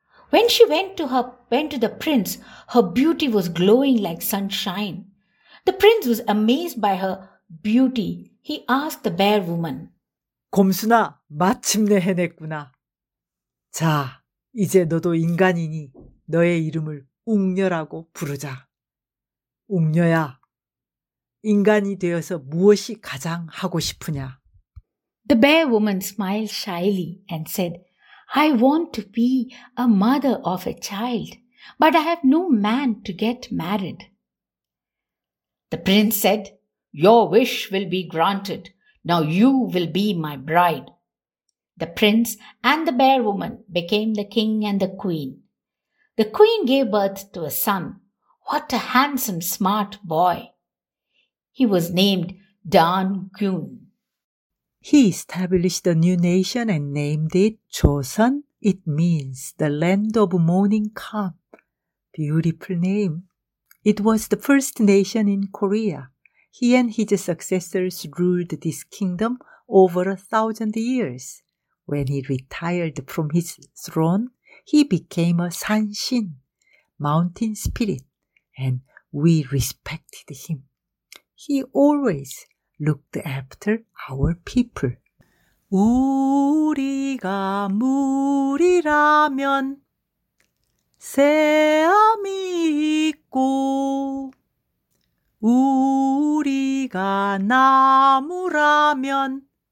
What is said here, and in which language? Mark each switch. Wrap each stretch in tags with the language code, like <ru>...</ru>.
<en>When she went to the prince, her beauty was glowing like sunshine. The prince was amazed by her beauty. He asked the bear woman,</en> <ko>곰순아, 마침내 해냈구나. 자, 이제 너도 인간이니 너의 이름을 웅녀라고 부르자. 웅녀야, 인간이 되어서 무엇이 가장 하고 싶으냐?</ko> <en>The bear woman smiled shyly and said, I want to be a mother of a child, but I have no man to get married. The prince said, Your wish will be granted. Now you will be my bride. The prince and the bear woman became the king and the queen. The queen gave birth to a son. What a handsome, smart boy. He was named Dan Kun. He established a new nation and named it Joseon. It means the land of morning calm. Beautiful name. It was the first nation in Korea. He and his successors ruled this kingdom over 1,000 years. When he retired from his throne, he became a Sanshin, mountain spirit, and we respected him. He always looked after our people.</en> <ko>우리가 물이라면 새암이 있고 우리가 나무라면</ko>